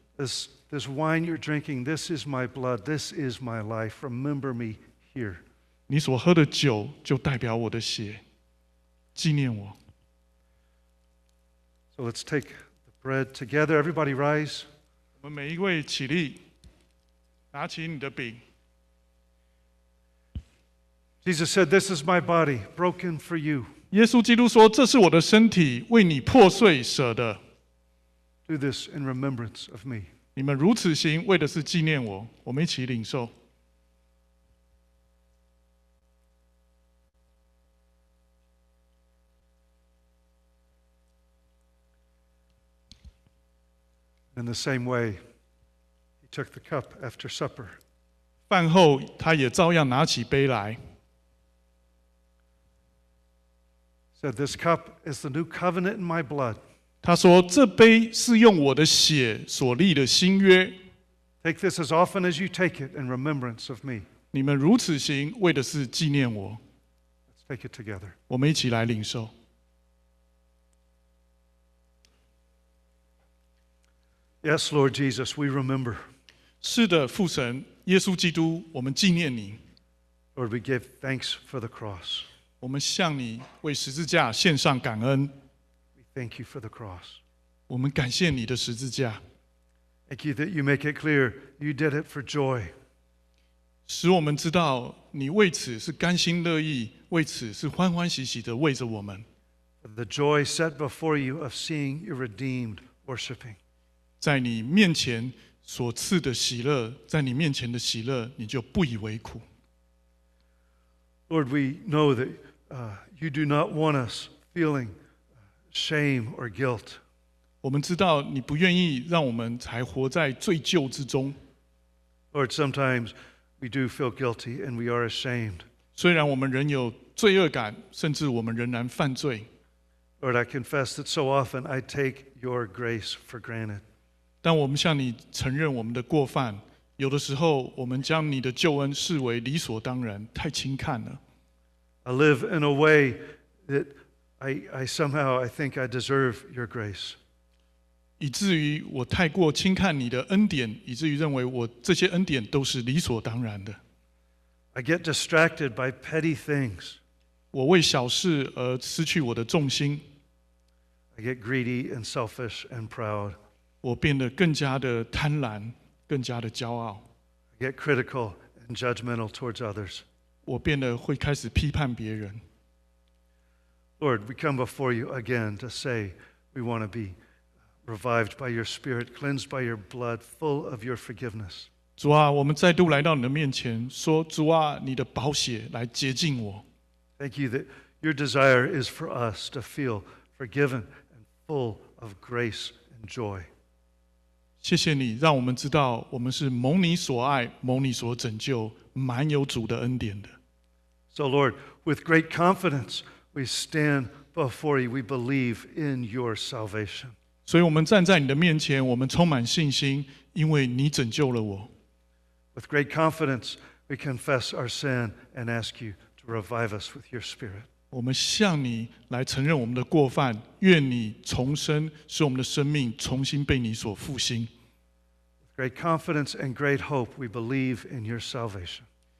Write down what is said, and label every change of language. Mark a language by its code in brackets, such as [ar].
[en] This wine you're drinking, this is my blood, this is my life. Remember me here. [zh] 你所喝的酒就代表我的血。纪念我。 [en] So let's take the bread together. Everybody rise. [zh] 我们每一位起立，拿起你的饼。 [en] Jesus said, "This is my body, broken for you." [zh] 耶稣基督说，这是我的身体，为你破碎舍的。 [en] Do this in remembrance of me. [zh] 你们如此行，为的是纪念我。我们一起领受。 [en] In the same way, he took the cup after supper. [zh] 饭后，他也照样拿起杯来。 [en] Said, "This cup is the new covenant in my blood." [zh] 他说，这杯是用我的血所立的新约。 [en] Take this as often as you take it in remembrance of me. [zh] 你们如此行，为的是纪念我。 [en] Let's take it together. [zh] 我们一起来领受。 [en] Yes, Lord Jesus, we remember. [zh] 是的，父神，耶稣基督，我们纪念你。 [en] Lord, we give thanks for the cross. [zh] 我们向你为十字架献上感恩。 [en] We thank you for the cross. [zh] 我们感谢你的十字架。 [en] Thank you that you make it clear you did it for joy. [zh] 使我们知道你为此是甘心乐意，为此是欢欢喜喜的为着我们。 [en] The joy set before you of seeing your redeemed worshiping. [zh] 在你面前所赐的喜乐，在你面前的喜乐，你就不以为苦。 [en] Lord, we know that you do not want us feeling shame or guilt. [zh] 我们知道你不愿意让我们才活在罪疚之中。 [en] Lord, sometimes we do feel guilty and we are ashamed. [zh] 虽然我们仍有罪恶感，甚至我们仍然犯罪。 [en] Lord, I confess that so often I take your grace for granted. [zh] 但我们向你承认我们的过犯。有的时候我们将你的救恩视为理所当然，太轻看了。 [en] I live in a way that I think I deserve your grace. [zh] 以至于我太过轻看你的恩典，以至于认为我这些恩典都是理所当然的。 [en] I get distracted by petty things. [zh] 我为小事而失去我的重心。 [en] I get greedy and selfish and proud. [zh] 我变得更加的贪婪，更加的骄傲。 [en] I get critical and judgmental towards others. [zh] 我变得会开始批判别人。 [en] Lord, we come before you again to say we want to be revived by your Spirit, cleansed by your blood, full of your forgiveness. [zh] 主啊，我们再度来到你的面前，说主啊，你的宝血来洁净我。 [en] Thank you that your desire is for us to feel forgiven and full of grace and joy. [zh] 谢谢你，让我们知道我们是蒙你所爱，蒙你所拯救，满有主的恩典的。 [en] So Lord, with great confidence, we stand before you. We believe in your salvation. [zh] 所以我们站在你的面前，我们充满信心，因为你拯救了我。 [en] With great confidence, we confess our sin and ask you to revive us with your Spirit. [zh] 我们向你来承认我们的过犯，愿你重生，使我们的生命重新被你所复兴。 [en] With great confidence and great hope, we believe in your salvation.